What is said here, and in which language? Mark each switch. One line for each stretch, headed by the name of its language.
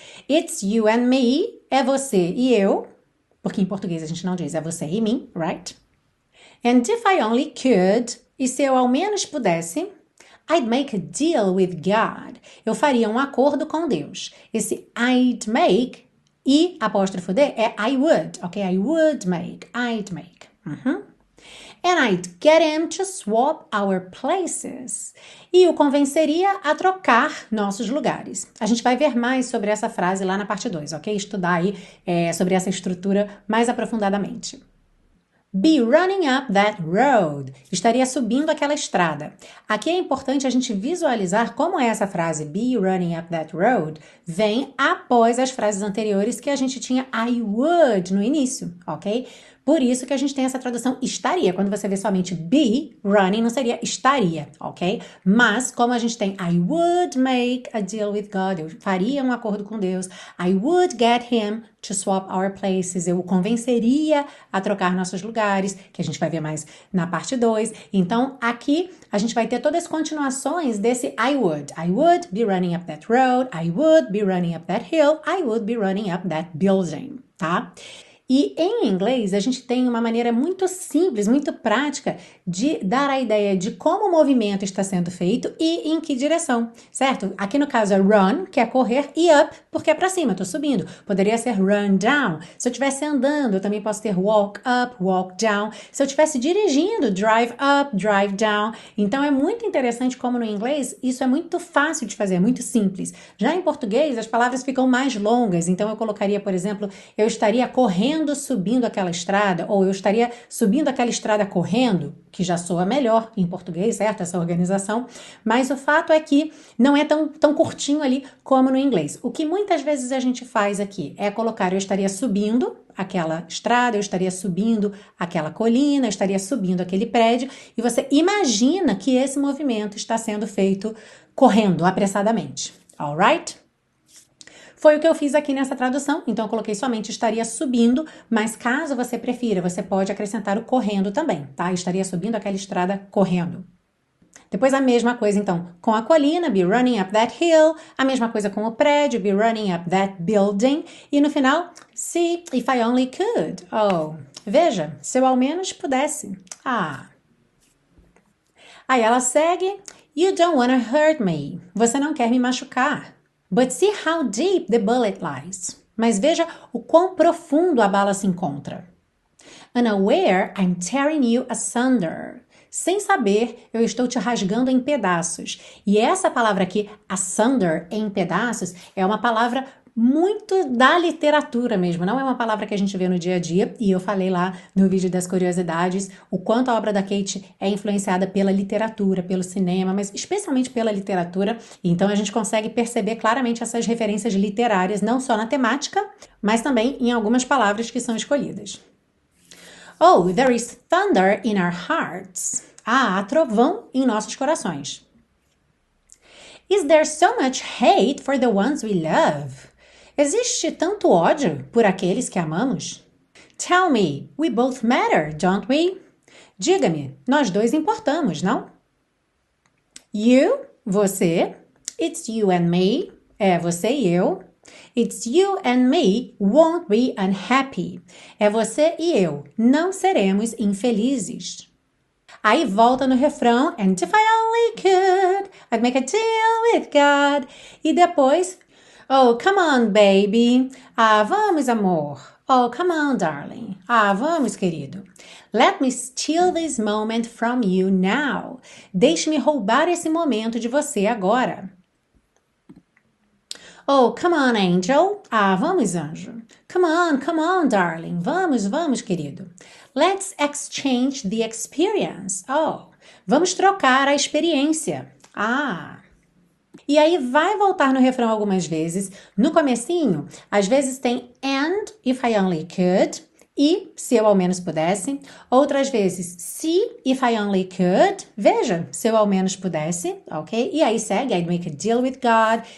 English: It's you and me,
Portuguese: é você e eu. Porque em português a gente não diz é você e mim,
English: right? And if I only could,
Portuguese: e se eu ao menos pudesse,
English: I'd make a deal with God.
Portuguese: Eu faria um acordo com Deus. Esse
English: I'd make
Portuguese: e apóstrofo D é
English: I would,
Portuguese: ok?
English: I would make, I'd make. And I'd get him to swap our places.
Portuguese: E o convenceria a trocar nossos lugares. A gente vai ver mais sobre essa frase lá na parte 2, ok? Estudar aí sobre essa estrutura mais aprofundadamente.
English: Be running up that road.
Portuguese: Estaria subindo aquela estrada. Aqui é importante a gente visualizar como é essa frase,
English: be running up that road,
Portuguese: vem após as frases anteriores que a gente tinha
English: I would
Portuguese: no início, ok? Por isso que a gente tem essa tradução estaria. Quando você vê somente
English: be running,
Portuguese: não seria estaria, ok? Mas como a gente tem
English: I would make a deal with God,
Portuguese: eu faria um acordo com Deus.
English: I would get him to swap our places.
Portuguese: Eu o convenceria a trocar nossos lugares, que a gente vai ver mais na parte 2. Então, aqui a gente vai ter todas as continuações desse
English: I would. I would be running up that road. I would be running up that hill. I would be running up that building, tá?
Portuguese: E em inglês, a gente tem uma maneira muito simples, muito prática de dar a ideia de como o movimento está sendo feito e em que direção, certo? Aqui no caso é run, que é correr, e up, porque é para cima, estou subindo. Poderia ser
English: run down.
Portuguese: Se eu estivesse andando, eu também posso ter
English: walk up, walk down.
Portuguese: Se eu estivesse dirigindo,
English: drive up, drive down.
Portuguese: Então é muito interessante como no inglês isso é muito fácil de fazer, muito simples. Já em português, as palavras ficam mais longas. Então eu colocaria, por exemplo, eu estaria correndo. Subindo aquela estrada, ou eu estaria subindo aquela estrada correndo, que já soa melhor em português, certo? Essa organização, mas o fato é que não é tão curtinho ali como no inglês. O que muitas vezes a gente faz aqui é colocar eu estaria subindo aquela estrada, eu estaria subindo aquela colina, eu estaria subindo aquele prédio, e você imagina que esse movimento está sendo feito correndo apressadamente.
English: Alright?
Portuguese: Foi o que eu fiz aqui nessa tradução, então eu coloquei somente estaria subindo, mas caso você prefira, você pode acrescentar o correndo também, tá? Estaria subindo aquela estrada correndo. Depois a mesma coisa, então, com a colina,
English: be running up that hill,
Portuguese: a mesma coisa com o prédio,
English: be running up that building,
Portuguese: e no final,
English: see if I only could.
Portuguese: Oh, veja, se eu ao menos pudesse. Ah. Aí ela segue,
English: you don't wanna hurt me.
Portuguese: Você não quer me machucar.
English: But see how deep the bullet lies.
Portuguese: Mas veja o quão profundo a bala se encontra.
English: Unaware, I'm tearing you asunder.
Portuguese: Sem saber, eu estou te rasgando em pedaços. E essa palavra aqui, asunder, em pedaços, é uma palavra muito da literatura mesmo, não é uma palavra que a gente vê no dia a dia, e eu falei lá no vídeo das curiosidades o quanto a obra da Kate é influenciada pela literatura, pelo cinema, mas especialmente pela literatura. Então a gente consegue perceber claramente essas referências literárias, não só na temática, mas também em algumas palavras que são escolhidas.
English: Oh, there is thunder in our hearts.
Portuguese: Ah, há trovão em nossos corações.
English: Is there so much hate for the ones we love?
Portuguese: Existe tanto ódio por aqueles que amamos?
English: Tell me, we both matter, don't we?
Portuguese: Diga-me, nós dois importamos, não?
English: You,
Portuguese: você.
English: It's you and me.
Portuguese: É você e eu.
English: It's you and me won't be unhappy.
Portuguese: É você e eu. Não seremos infelizes. Aí volta no refrão.
English: And if I only could, I'd make a deal with God.
Portuguese: E depois. Oh,
English: come on, baby.
Portuguese: Ah, vamos, amor.
English: Oh, come on, darling. Ah,
Portuguese: vamos, querido.
English: Let me steal this moment from you now.
Portuguese: Deixe-me roubar esse momento de você agora.
English: Oh, come on, angel. Ah,
Portuguese: vamos, anjo.
English: Come on, darling.
Portuguese: Vamos, vamos, querido.
English: Let's exchange the experience.
Portuguese: Oh, vamos trocar a experiência. Ah. E aí vai voltar no refrão algumas vezes. No comecinho, às vezes tem
English: and if I only could,
Portuguese: e se eu ao menos pudesse. Outras vezes, se
English: if I only could.
Portuguese: Veja, se eu ao menos pudesse, ok? E aí segue,
English: I'd make a deal with God.